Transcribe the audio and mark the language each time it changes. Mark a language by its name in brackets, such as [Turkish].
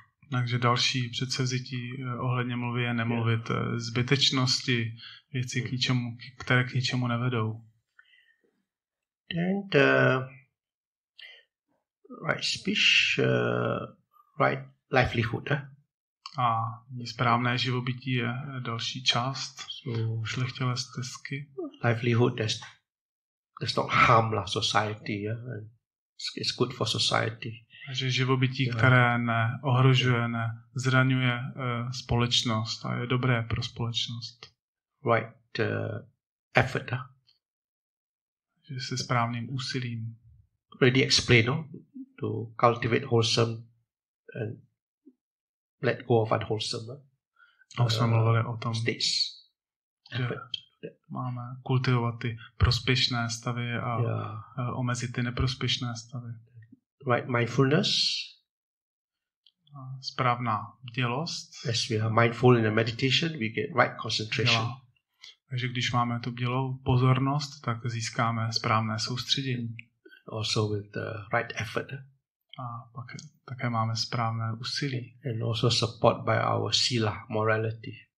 [Czech] Takže další předsevzetí ohledně mluvy je nemluvit zbytečnosti, věci k ničemu, které k ničemu nevedou. [English] Then the right speech, right livelihood. [Czech] A správné živobytí je další část. Šlechtilé stezky. [English] Livelihood does not harm la society. Yeah? It's good for society. [Czech] Takže živobytí, které neohrožuje, nezraňuje společnost a je dobré pro společnost. [English] Right effort. [Czech] Že se správným úsilím. [English] Ready explain, no? To cultivate wholesome and let go of unwholesome. [Czech] No, jsme mluvili o tom, [English] states, [Czech] že máme kultivovat ty prospěšné stavy a omezit ty neprospěšné stavy. [English] Right mindfulness. [Czech] Správná bdělost. [English] As we are mindful in the meditation, we get right concentration. [Czech] Takže když máme tu bdělou pozornost, tak získáme správné soustředění. [English] Also with the right effort. [Czech] A pak také máme správné úsilí. [English] And also support by our sila, morality.